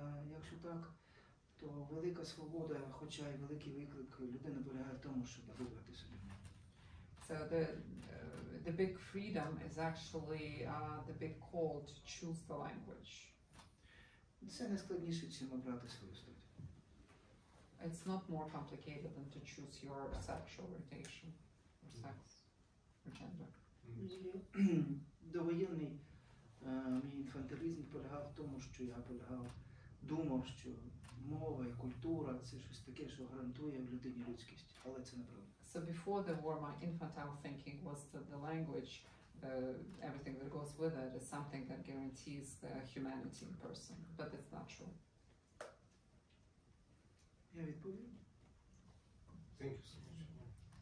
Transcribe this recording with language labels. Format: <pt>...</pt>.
<uk>Якщо так, то велика свобода, хоча й великий виклик, людина полягає в тому, щоб вибрати собі.</uk> <en>So the big freedom is actually the big call to choose the language.</en> <uk>Це не складніше, чим обрати свою статтю.</uk> <en>It's not more complicated than to choose your sexual orientation, or sex, or gender.</en> <uk>Довоєнний мій інфантилізм полягав в тому, що я полягав, думав, що мова і культура – це щось таке, що гарантує в людині людськість, але це неправда.</uk> <en>So before the war, my infantile thinking was that the language, everything that goes with it, is something that guarantees the humanity in person. But it's not true. Yeah, it will be. Thank you so much.</en>